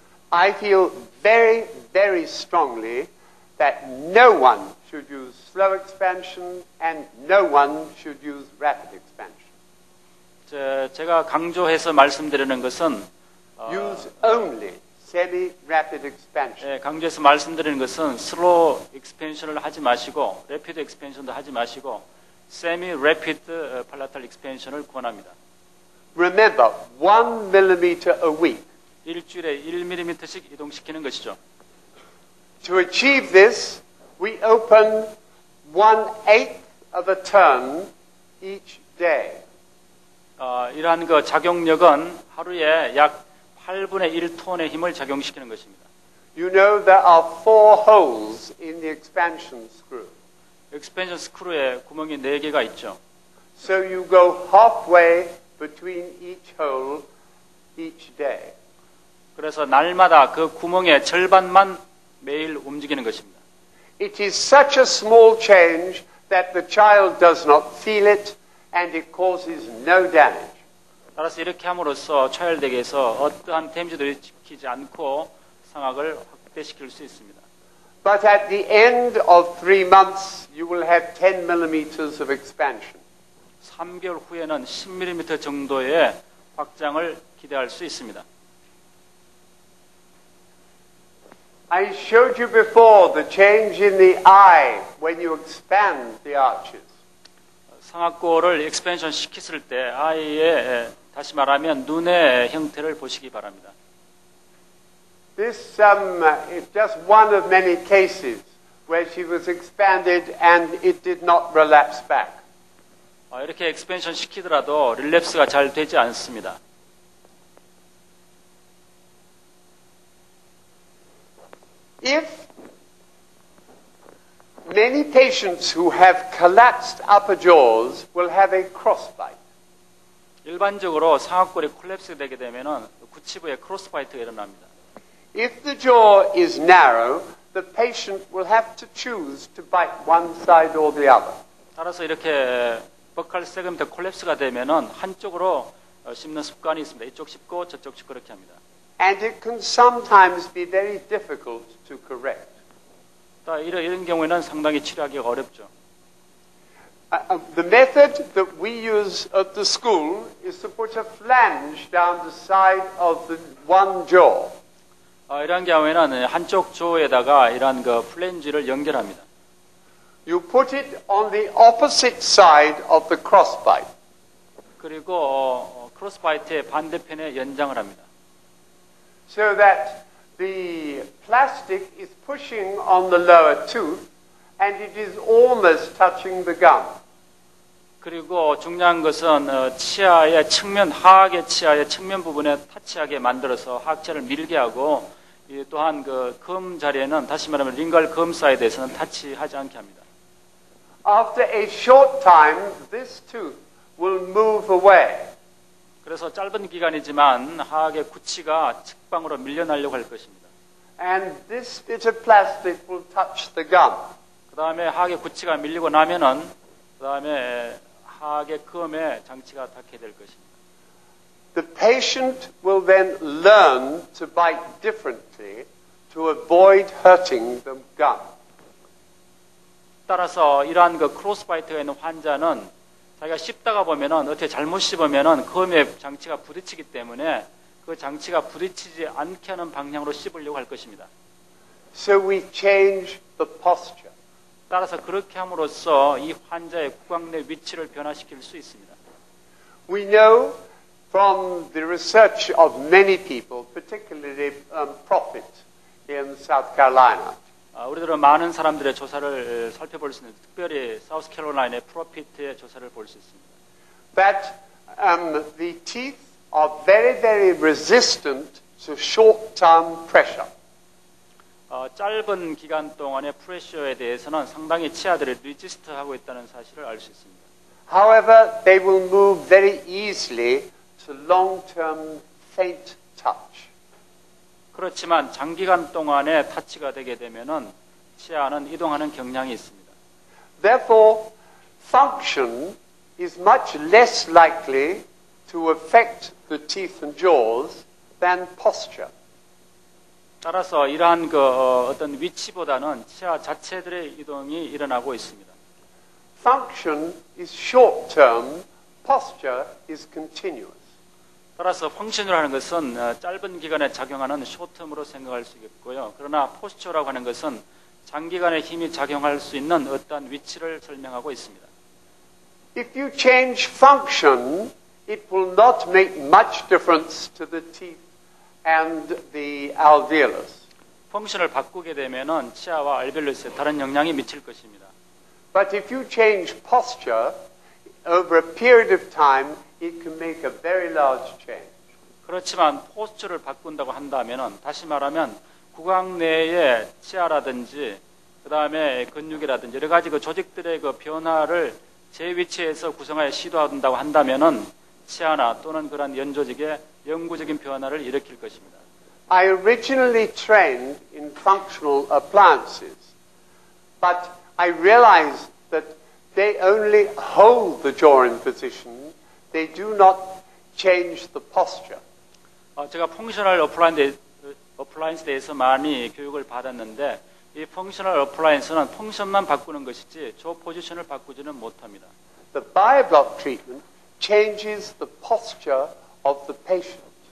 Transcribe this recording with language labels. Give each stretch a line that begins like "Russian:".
English: I feel very, very strongly that no one should use slow expansion and no one should use rapid expansion.
Korean: 제가 강조해서 말씀드리는 것은
English: use only semi-rapid expansion.
Korean: 강조해서 말씀드리는 것은
English: slow expansion
Korean: 을 하지 마시고
English: rapid expansion
Korean: 도 하지 마시고
English: semi-rapid palatal expansion
Korean: 을 권합니다.
English: Remember, 1mm a week.
Korean: 일주일에 1mm씩 이동시키는 것이죠.
English: To achieve this, we open 1/8 of a turn each day.
Korean: 이러한 그 작용력은 하루에 약 8분의 1톤의 힘을 작용시키는 것입니다.
English: You know there are 4 holes in the expansion screw.
Korean: Expansion screw에 구멍이 4개가 있죠.
English: So you go halfway between each hole each day.
Korean: 그래서 날마다 그 구멍의 절반만 매일 움직이는 것입니다.
English: It is such a small change that the child does not feel it and it causes no damage.
Korean: 따라서 이렇게 함으로써 차일드에게서 어떠한 데미지도 일으키지 않고 상악을 확대시킬 수 있습니다.
English: But at the end of 3 months you will have 10 millimeters of expansion.
Korean: 3개월 후에는 10mm 정도의 확장을 기대할 수 있습니다.
English: I showed you before the change in the eye when you expand the arches.
Korean: 상악골을 expansion 시켰을 때 아이의 다시 말하면 눈의 형태를 보시기 바랍니다.
English: This is just one of many cases where she was expanded and it did not relapse back.
Korean: 이렇게 expansion 시키더라도 relapse가 잘 되지 않습니다.
English: If many patients who have collapsed upper jaws will have a crossbite.
Korean: 일반적으로 상악골이 콜랩스 되게 되면은 구치부에 크로스바이트가 일어납니다.
English: If the jaw is narrow, the patient will have to choose to bite one side or the other.
Korean: 따라서 이렇게 버칼 세그먼트 콜랩스가 되면은 한쪽으로 씹는 습관이 있습니다. 이쪽 씹고 저쪽 씹고 그렇게 합니다.
English: And it can sometimes be very difficult to correct.
Korean: 또 이런 경우에는 상당히 치료하기가 어렵죠.
English: The method that we use at the school is to put a flange down the side of the one jaw.
Korean: 이런 경우에는 한쪽 조에다가 이런 그 플랜지를 연결합니다.
English: You put it on the opposite side of the crossbite.
Korean: 그리고 크로스바이트의 반대편에 연장을 합니다.
English: So that the plastic is pushing on the lower tooth and it is almost touching the gum.
Korean: 그리고 중요한 것은 치아의 측면, 하악의 치아의 측면 부분에 터치하게 만들어서 하악체를 밀게 하고 또한 그 금 자리에는 다시 말하면 링갈 금 사이드에서는 터치하지 않게 합니다.
English: After a short time, this tooth will move away.
Korean: 그래서 짧은 기간이지만 하악의 구치가 측방으로 밀려나려고 할 것입니다.
English: And this bit of plastic will touch the gum.
Korean: 그 다음에 하악의 구치가 밀리고 나면은 그 다음에 하악의 금에 장치가 닿게 될 것입니다.
English: The patient will then learn to bite differently to avoid hurting the gum.
Korean: 따라서 이러한 그 크로스바이트가 있는 환자는 자기가 씹다가 보면은 어떻게 잘못 씹으면은 금의 장치가 부딪히기 때문에 그 장치가 부딪히지 않게 하는 방향으로 씹으려고 할 것입니다.
English: So we change the posture.
Korean: 따라서 그렇게 함으로써 이 환자의 구강 내 위치를 변화시킬 수 있습니다.
English: We know from the research of many people, particularly prophets in South Carolina.
Korean: 우리들은 많은 사람들의 조사를 살펴볼 수 있는 특별히 사우스 캐롤라이나의 프로피트의 조사를 볼 수 있습니다.
English: That the teeth are very very resistant to short-term pressure.
Korean: 짧은 기간 동안의 프레셔에 대해서는 상당히 치아들이 리지스트하고 있다는 사실을 알 수 있습니다.
English: However, they will move very easily to long-term faint touch.
Korean: 그렇지만 장기간 동안에 터치가 되게 되면은 치아는 이동하는 경향이 있습니다.
English: Therefore, function is much less likely to affect the teeth and jaws than posture.
Korean: 따라서 이러한 그 어떤 위치보다는 치아 자체들의 이동이 일어나고 있습니다.
English: Function is short term, posture is continuous.
Korean: 따라서 펑션이라고 하는 것은 짧은 기간에 작용하는 쇼트텀으로 생각할 수 있고요. 그러나 포스처라고 하는 것은 장기간의 힘이 작용할 수 있는 어떤 위치를 설명하고 있습니다.
English: If you change function, it will not make much difference to the teeth and the alveolus.
Korean: 펑션을 바꾸게 되면은 치아와 알베올러스에 다른 영향이 미칠 것입니다.
English: But if you change posture over a period of time, it can make a very large change.
Korean: 그렇지만 포스처를 바꾼다고 한다면은 다시 말하면 구강 내의 치아라든지 그다음에 근육이라든지 여러 가지 그 조직들의 그 변화를 제 위치에서 구성하여 시도한다고 한다면은 치아나 또는 그런 연조직의 영구적인 변화를 일으킬 것입니다.
English: I originally trained in functional appliances. But I realized that they only hold the jaw in position. They do not change the posture.
Korean: 제가 functional appliance에 대해서 많이 교육을 받았는데 이 functional appliance는 function만 바꾸는 것이지 조 포지션을 바꾸지는 못합니다.
English: The bioblock treatment changes the posture of the patient.